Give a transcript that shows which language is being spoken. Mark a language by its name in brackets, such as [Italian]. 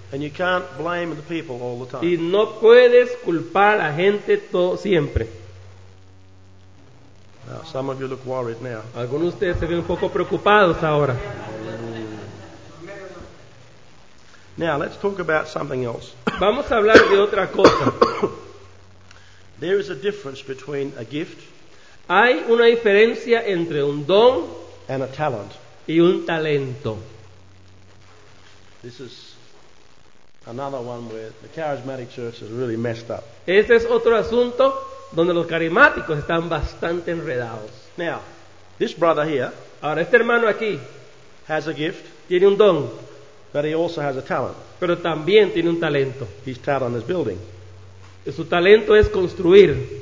[English] And you can't blame the people all the time. [Spanish] Y no puedes culpar a gente todo siempre. [English] Now, some of you look worried now. [Spanish] Algunos de ustedes se ven un poco preocupados ahora. [English] Now let's talk about something else. [Spanish] Vamos a hablar de otra cosa. [English] There is a difference between a gift. [Spanish] Hay una diferencia entre un don [English] and a talent. [Spanish] Y un talento. [English] This is another one where the charismatic church has really messed up. [Spanish] Este es otro asunto donde los carismáticos están bastante enredados. [English] Now, this brother here, [Spanish] ahora este hermano aquí, [English] has a gift. [Spanish] Tiene un don. [English] But he also has a talent. [Spanish] Pero también tiene un talento. [English] His talent is building. [Spanish] Su talento es construir.